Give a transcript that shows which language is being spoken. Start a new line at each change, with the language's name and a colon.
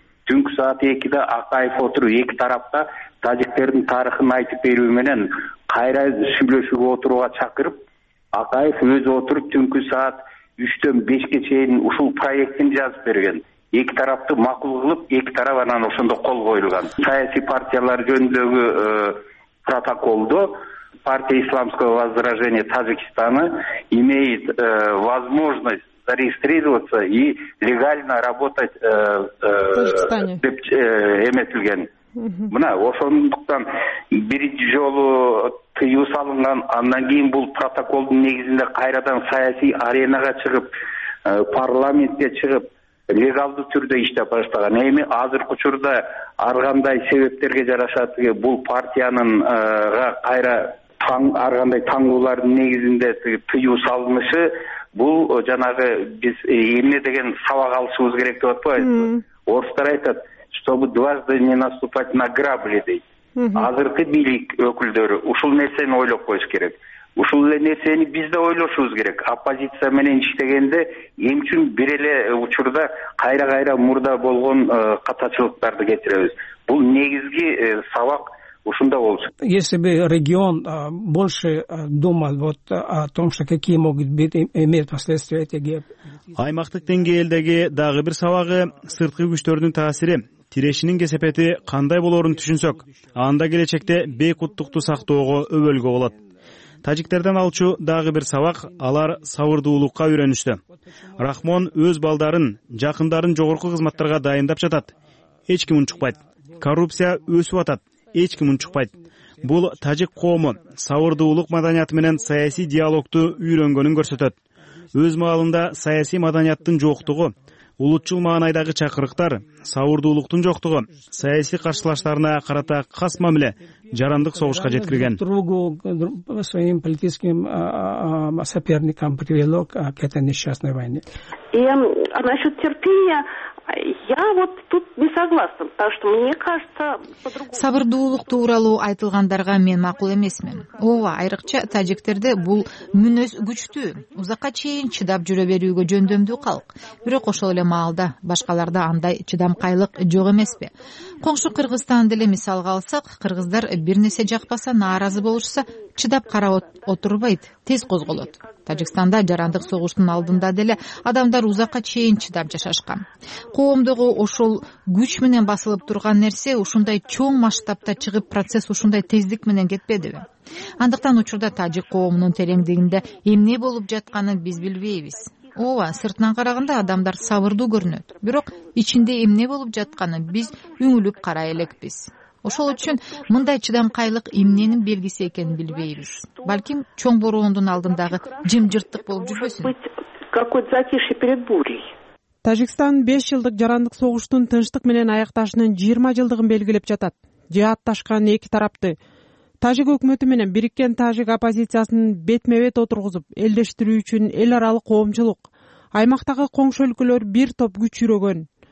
Kyrgyz: Түнкү саат 2:00 Акаев отуруп эки тарапка тажиктердин тарыхын айтып берүү менен кайра сүйлөшүүгө отурууга чакырып, Акаев өзү отуруп түнкү саат 3:00-5:00 чейин ушул проектин жазып берген. Эки тарапты макул кылып, эки тарап анан ошондо кол коюлган. Саясий партиялар жөнүндөгү протоколдо
Russian: партия исламского возрождения Таджикистана имеет возможность зарегистрироваться и легально работать
Kyrgyz: деп эметилген. Мына ошондуктан бир жолу тыюу салынган, андан кийин бул протоколдун негизинде кайрадан саясий аренага чыгып, парламентке чыгып легалдуу түрдө иштеп баштаган. Эми азыркы учурда ар кандай себептерге жараша бул партиянын кайра ар кандай таңдоолордун негизинде тыюу салынышы бул жанагы биз эмне деген сабак алышыбыз керек деп атпайбызбы? Орустар айтат,
Russian: чтобы дважды не наступать на грабли
Kyrgyz: дейт. Азыркы бийлик өкүлдөрү ушул нерсени ойлоп коюш керек. Ушул эле нерсени биз да ойлошубуз керек. Оппозиция менен иштегенде эмне үчүн бир эле учурда кайра кайра мурда болгон катачылыктарды кетиребиз? Бул негизги сабак ушунда болчу.
Russian: Если бы регион больше думал вот о том, что какие могут быть иметь последствия эти геп.
Kyrgyz: Аймактык деңгээлдеги дагы бир сабагы сырткы күчтөрдүн таасири. Тирешинин кесепети кандай болорун түшүнсөк, анда келечекте бейкуттукту сактоого өбөлгө болот. Тажиктерден алчу дагы бир сабак, алар сабырдуулукка үйрөнүштү. Рахмон өз балдарын, жакындарын жогорку кызматтарга дайындап жатат. Эч ким унчукпайт. Коррупция өсүп атат. Эч ким унчукпайт. Бул тажик коому сабырдуулук маданияты менен саясий диалогду үйрөнгөнүн көрсөтөт. Өз маалында саясий маданияттын жоктугу, улутчул маанайдагы чакырыктар, сабырдуулуктун жоктугу саясий каршылаштарына карата кас мамиле жарандык согушка жеткирген.
Russian: Другу своим политическим соперникам привело к этой несчастной войне. А насчет терпения я вот тут не согласна, потому что мне кажется, по-другому.
Kyrgyz: Сабырдуулук тууралуу айтылгандарга мен макул эмесмин. Ооба, айрыкча тажиктерде бул мүнөз күчтүү, узакка чейин чыдап жүрө берүүгө жөндөмдүү калк. Бирок ошол эле маалда башкаларда андай чыдамкайлык жок эмеспи? Коңшу Кыргызстан деле мисалга алсак, кыргыздар бир нерсе жакпаса, нааразы болушса, чыдап карап отурбайт, тез козголот. Тажикстанда жарандык согуштун алдында деле адамдар узакка чейин чыдап жашашкан. Коомдогу ошол күч менен басылып турган нерсе ушундай чоң масштабта чыгып, процесс ушундай тездик менен кетпедиби? Андыктан учурда тажик коомунун тереңдигинде эмне болуп жатканын биз билбейбиз. Ооба, сыртынан караганда адамдар сабырдуу көрүнөт. Бирок ичинде эмне болуп жатканын биз үңүлүп карай элекпиз. Ошол үчүн мындай чыдамкайлык эмненин белгиси экенин билбейбиз. Балким чоң бороондун алдындагы жымжырттык болуп жүрбөсүн.
Russian: Какой затишье перед бурей.
Kyrgyz: Тажикстан 5 жылдык жарандык согуштун тынчтык менен аякташынын 20 жылдыгын белгилеп жатат. Жаатташкан эки тарапты тажик өкмөтү менен бириккен тажик оппозициясын бетме-бет отургузуп, элдештирүү үчүн эл аралык коомчулук, аймактагы коңшу өлкөлөр бир топ күч жүрөгөн.